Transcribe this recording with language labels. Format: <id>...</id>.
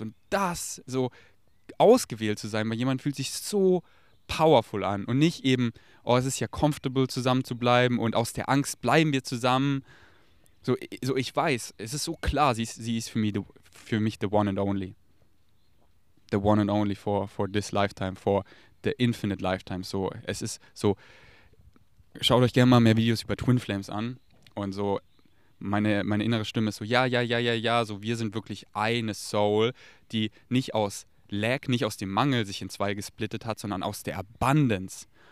<de>Und das, so ausgewählt zu sein, weil jemand fühlt sich so powerful an und nicht eben, oh, es ist ja comfortable zusammen zu bleiben und aus der Angst bleiben wir zusammen. So ich weiß, es ist so klar, sie ist für mich</de> <en>the one and only. The one and only for this lifetime, for the infinite lifetime.</en> <de>So, es ist so, schaut euch gerne mal mehr Videos über Twin Flames an. Und so, meine innere Stimme ist so, ja, so wir sind wirklich eine Soul, die nicht aus Lack, nicht aus dem Mangel sich in zwei gesplittet hat, sondern aus der Abundance.</de>